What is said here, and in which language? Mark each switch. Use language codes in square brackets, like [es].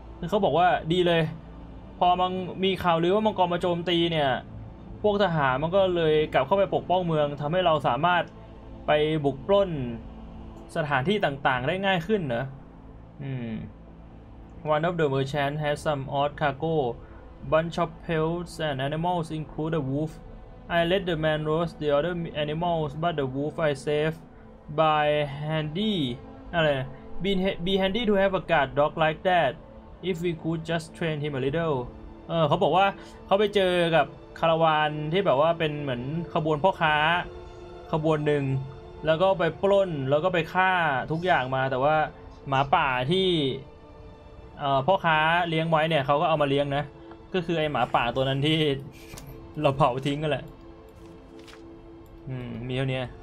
[th] เขาบอกว่าดีเลยพอมันมีข่าวลือว่ามังกรมาโจมตีเนี่ยพวกทหารมันก็เลยกลับเข้าไปปกป้องเมืองทำให้เราสามารถไปบุกปล้นสถานที่ต่างๆได้ง่ายขึ้นนะ [en] One of the merchants has some odd cargo, bunch of pelts and animals include a wolf. I let the man roast the other animals, but the wolf I saved by handy. Be handy to have a guard dog like that. If we could just train him a little. [th] เขาบอกว่าเขาไปเจอกับคาราวานที่แบบว่าเป็นเหมือนขบวนพ่อค้าขบวนหนึ่งแล้วก็ไปปล้นแล้วก็ไปฆ่าทุกอย่างมาแต่ว่าหมาป่าที่พ่อค้าเลี้ยงไว้เนี่ยเขาก็เอามาเลี้ยงนะก็คือไอ้หมาป่าตัวนั้นที่เราเผาทิ้งกันแหละมีเท่านี้